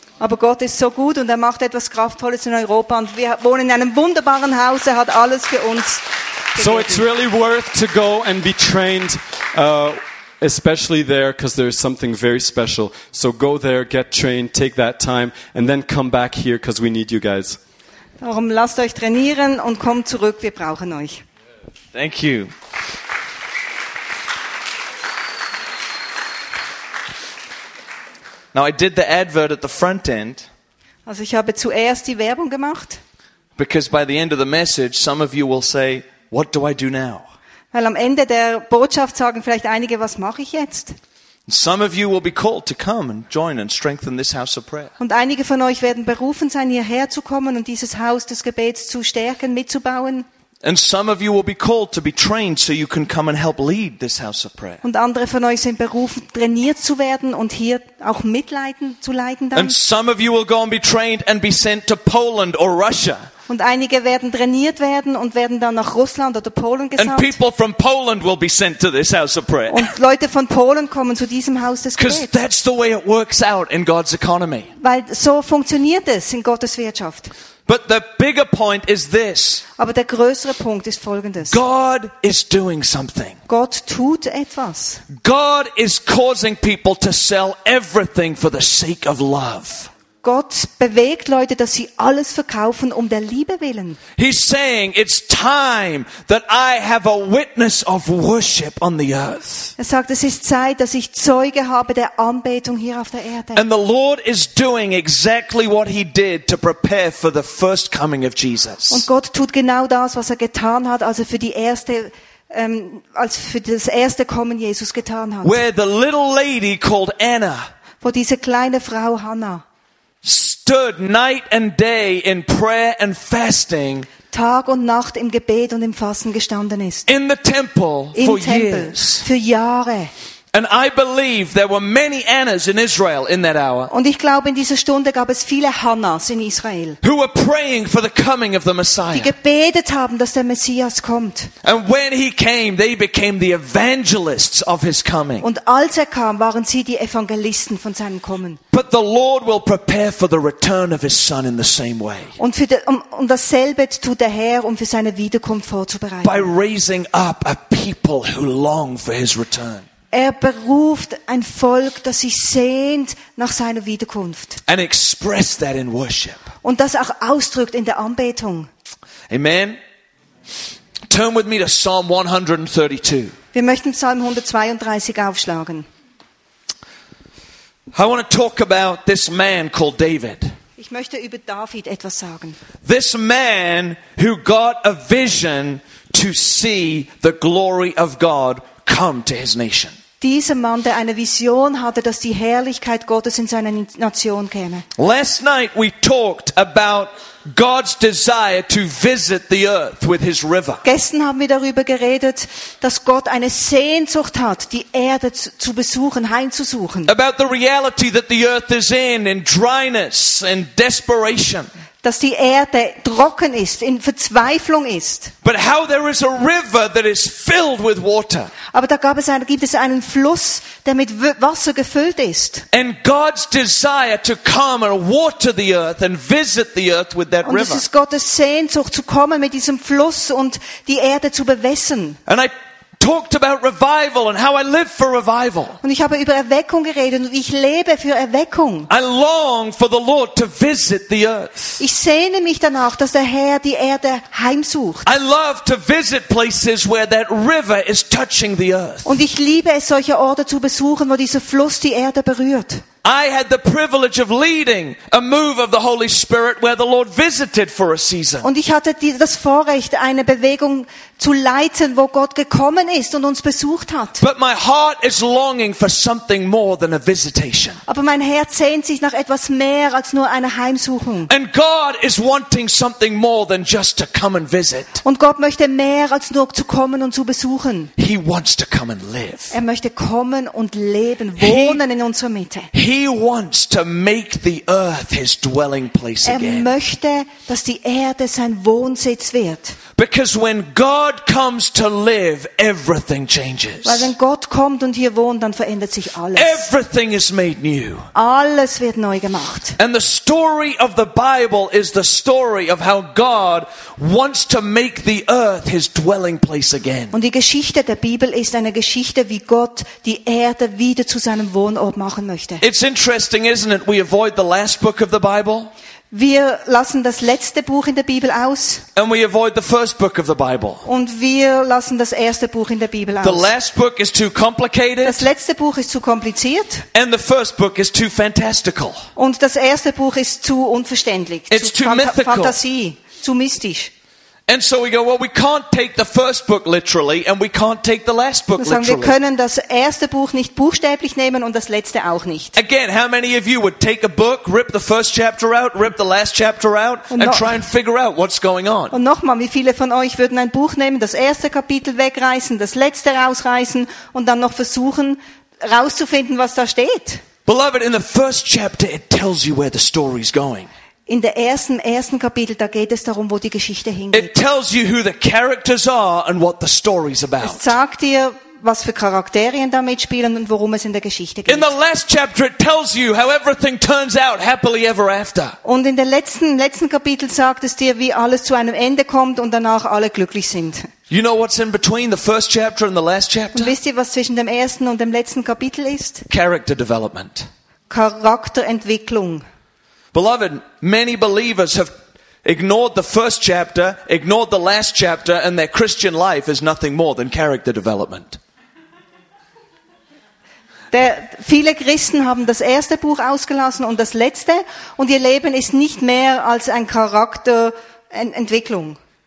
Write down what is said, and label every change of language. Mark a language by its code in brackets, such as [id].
[de] Aber Gott ist so gut und er macht etwas Kraftvolles in Europa und wir wohnen in einem wunderbaren Haus. Er hat alles für uns. [en] So it's really worth to go and be trained, especially there, because there's something very special. So go there, get trained, take that time, and then come back here, because we need you guys. [de] Darum lasst euch trainieren und kommt zurück. Wir brauchen euch. [en] Thank you. Now I did the advert at the front end. [de] Also ich habe zuerst die Werbung gemacht. [en] Because by the end of the message, some of you will say, what do I do now? [de] Weil am Ende der Botschaft sagen vielleicht einige, was mache ich jetzt? [en] Some of you will be called to come and join and strengthen this house of prayer. [de] Und einige von euch werden berufen sein, hierher zu kommen und dieses Haus des Gebets zu stärken, mitzubauen. [en] And some of you will be called to be trained so you can come and help lead this house of prayer. [de] Und andere von euch sind berufen, trainiert zu werden und hier auch mitleiten zu leiten dann. [en] And some of you will go and be trained and be sent to Poland or Russia. [de] Und einige werden trainiert werden und werden dann nach Russland oder Polen gesandt. [en] And people from Poland will be sent to this house of prayer. [de] Und Leute von Polen kommen zu diesem Haus des Gebets. [en] Because that's the way it works out in God's economy. [de] Weil so funktioniert es in Gottes Wirtschaft. [en] But the bigger point is this. [de] Aber der größere Punkt ist folgendes. [en] God is doing something. [de] Gott tut etwas. [en] God is causing people to sell everything for the sake of love. [de] Gott bewegt Leute, dass sie alles verkaufen um der Liebe willen. [en] He's saying it's time that I have a witness of worship on the earth. [de] Er sagt, es ist Zeit, dass ich Zeuge habe der Anbetung hier auf der Erde. [en] And the Lord is doing exactly what he did to prepare for the first coming of Jesus. [de] Und Gott tut genau das, was er getan hat, als er für die erste als für das erste Kommen Jesus getan hat. [en] Where the little lady called Anna. [de] Wo diese kleine Frau Hanna [en] stood night and day in prayer and fasting. [de] Tag und Nacht im Gebet und im Fasten gestanden ist. [en] In the temple [de] Im [en] for [de] Tempel [en] years. [de] Für Jahre. [en] And I believe there were many Annas in Israel in that hour. [de] Und ich glaube, in dieser Stunde gab es viele Hannas in Israel. [en] Who were praying for the coming of the Messiah. [de] Die gebetet haben, dass der Messias kommt. [en] And when he came, they became the evangelists of his coming. [de] Und als er kam, waren sie die Evangelisten von seinem Kommen. [en] But the Lord will prepare for the return of his son in the same way. [de] Und für um dasselbe tut der Herr, um für seine Wiederkunft vorzubereiten. [en] By raising up a people who long for his return. [de] Er beruft ein Volk, das sich sehnt nach seiner Wiederkunft. [en] And express that in worship. [de] Und das auch ausdrückt in der Anbetung. [en] Amen. Turn with me to Psalm 132. [de] Wir möchten Psalm 132 aufschlagen. [en] I want to talk about this man called David. [de] Ich möchte über David etwas sagen. [en] This man who got a vision to see the glory of God come to his nation. [de] Dieser Mann, der eine Vision hatte, dass die Herrlichkeit Gottes in seine Nation käme. [en] Last night we talked about God's desire to visit the earth with his river. [de] Gestern haben wir darüber geredet, dass Gott eine Sehnsucht hat, die Erde zu besuchen, heimzusuchen. [en] About the reality that the earth is in dryness and desperation. [de] Dass die Erde trocken ist, in Verzweiflung ist. [en] But how there is a river that is filled with water. [de] Aber da gibt es einen Fluss, der mit Wasser gefüllt ist. [en] And God's desire to come and water the earth and visit the earth with that river. [de] Und es ist Gottes Sehnsucht zu kommen mit diesem Fluss und die Erde zu bewässern. [en] And I talked about revival and how I live for revival. [de] Und ich habe über Erweckung geredet und ich lebe für Erweckung. [en] I long for the Lord to visit the earth. [de] Ich sehne mich danach, dass der Herr die Erde heimsucht. [en] I love to visit places where that river is touching the earth. [de] Und ich liebe es, solche Orte zu besuchen, wo dieser Fluss die Erde berührt. [en] I had the privilege of leading a move of the Holy Spirit where the Lord visited for a season. [de] Und ich hatte das Vorrecht, eine Bewegung zu leiten, wo Gott gekommen ist und uns besucht hat. [en] But my heart is longing for something more than a visitation. [de] Aber mein Herz sehnt sich nach etwas mehr als nur einer Heimsuchung. [en] And God is wanting something more than just to come and visit. [de] Und Gott möchte mehr als nur zu kommen und zu besuchen. [en] He wants to come and live. [de] Er möchte kommen und leben, wohnen in unserer Mitte. [en] He wants to make the earth his dwelling place again. [de] Er möchte, dass die Erde sein Wohnsitz wird. [en] Because when God comes to live, everything changes. [de] Weil wenn Gott kommt und hier wohnt, dann verändert sich alles. [en] Everything is made new. [de] Alles wird neu gemacht. [en] And the story of the Bible is the story of how God wants to make the earth his dwelling place again. [de] Und die Geschichte der Bibel ist eine Geschichte, wie Gott die Erde wieder zu seinem Wohnort machen möchte. [en] It's interesting, isn't it? We avoid the last book of the Bible. [de] Wir lassen das letzte Buch in der Bibel aus. [en] And we avoid the first book of the Bible. [de] Und wir lassen das erste Buch in der Bibel aus. [en] The last book is too complicated. [de] Das letzte Buch ist zu kompliziert. [en] And the first book is too fantastical. [de] Und das erste Buch ist zu unverständlich. [en] It's too mythical. [de] Fantasie, zu mystisch. [en] And so we go, well, we can't take the first book literally and we can't take the last book literally. [de] Wir können das erste Buch nicht buchstäblich nehmen und das letzte auch nicht. [en] Again, how many of you would take a book, rip the first chapter out, rip the last chapter out and try and figure out what's going on? [de] Und nochmal, wie viele von euch würden ein Buch nehmen, das erste Kapitel wegreißen, das letzte rausreißen und dann noch versuchen rauszufinden, was da steht? [en] Beloved, in the first chapter it tells you where the story's going. [de] In der ersten Kapitel, da geht es darum, wo die Geschichte hingeht. [en] It tells you who the characters are and what the story's about. [de] Es sagt dir, was für Charaktere da mitspielen und worum es in der Geschichte geht. [en] In the last chapter it tells you how everything turns out happily ever after. [de] Und in der letzten Kapitel sagt es dir, wie alles zu einem Ende kommt und danach alle glücklich sind. [en] You know what's in between the first chapter and the last chapter? [de] Und wisst ihr, was zwischen dem ersten und dem letzten Kapitel ist? [en] Character development. [de] Charakterentwicklung. [en] Beloved, many believers have ignored the first chapter, ignored the last chapter, and their Christian life is nothing more than character development. [de] Viele Christen haben das erste Buch ausgelassen und das letzte, und ihr Leben ist nicht mehr als ein Charakterentwicklung.